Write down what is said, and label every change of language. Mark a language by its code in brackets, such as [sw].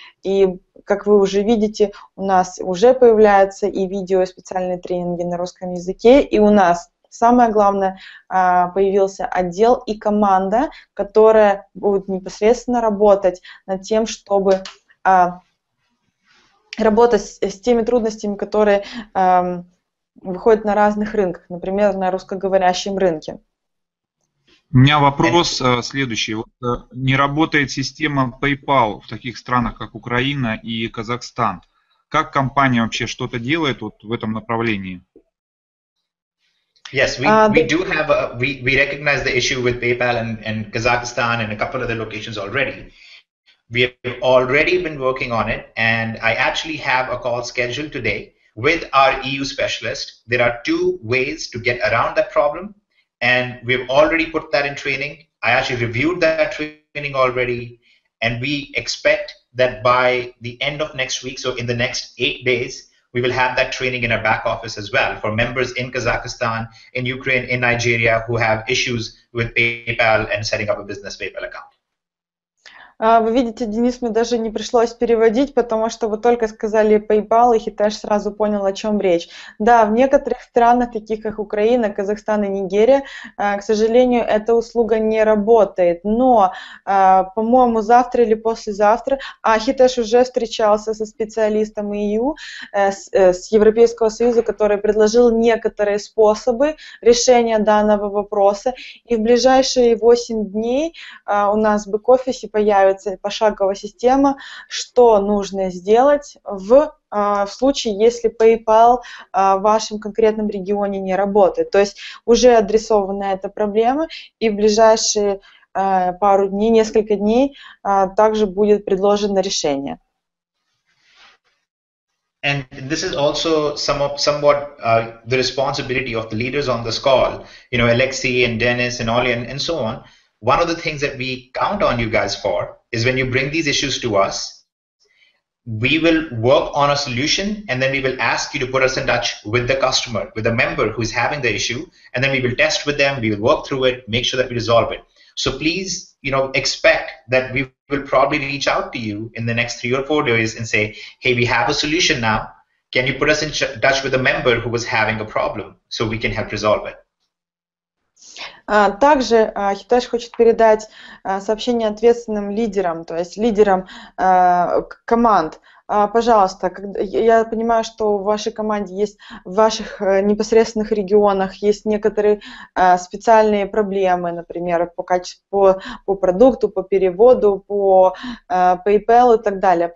[ru] И, как вы уже видите, у нас уже появляются и видео, и специальные тренинги на русском языке, и у нас, самое главное, появился отдел и команда, которая будет непосредственно работать над тем, чтобы работать с теми трудностями, которые выходят на разных рынках, например, на русскоговорящем рынке. У меня вопрос следующий. Вот, не работает система PayPal в таких странах, как Украина и Казахстан. Как компания вообще что-то делает вот в этом направлении? [en] Yes, we do have we recognize the issue with PayPal and Kazakhstan and a couple other locations already. We have already been working on it, and I actually have a call scheduled today with our EU specialist. There are two ways to get around that problem, and we've already put that in training. I actually reviewed that training already, and we expect that by the end of next week, so in the next 8 days, we will have that training in our back office as well for members in Kazakhstan, in Ukraine, in Nigeria who have issues with PayPal and setting up a business PayPal account. [ru] Вы видите, Денис, мне даже не пришлось переводить, потому что вы только сказали PayPal, и Хитеш сразу понял, о чем речь. Да, в некоторых странах, таких как Украина, Казахстан и Нигерия, к сожалению, эта услуга не работает. Но, по-моему, завтра или послезавтра, а Хитеш уже встречался со специалистом EU, с Европейского Союза, который предложил некоторые способы решения данного вопроса. И в ближайшие 8 дней у нас в бэк-офисе появится пошаговая система, что нужно сделать в случае, если PayPal в вашем конкретном регионе не работает. То есть уже адресована эта проблема, и в ближайшие пару дней, несколько дней также будет предложено решение. [en] And this is also somewhat the responsibility of the leaders on this call, you know, Alexei and Dennis and Oli and so on. One of the things that we count on you guys for is when you bring these issues to us, we will work on a solution, and then we will ask you to put us in touch with the customer, with the member who is having the issue, and then we will test with them, we will work through it, make sure that we resolve it. So please, you know, expect that we will probably reach out to you in the next 3 or 4 days and say, hey, we have a solution now. Can you put us in touch with a member who was having a problem so we can help resolve it? [ru] Также Hitesh хочет передать сообщение ответственным лидерам, то есть лидерам команд. Пожалуйста, я понимаю, что в вашей команде есть, в ваших непосредственных регионах есть некоторые специальные проблемы, например, по качеству, по продукту, по переводу, по PayPal и так далее.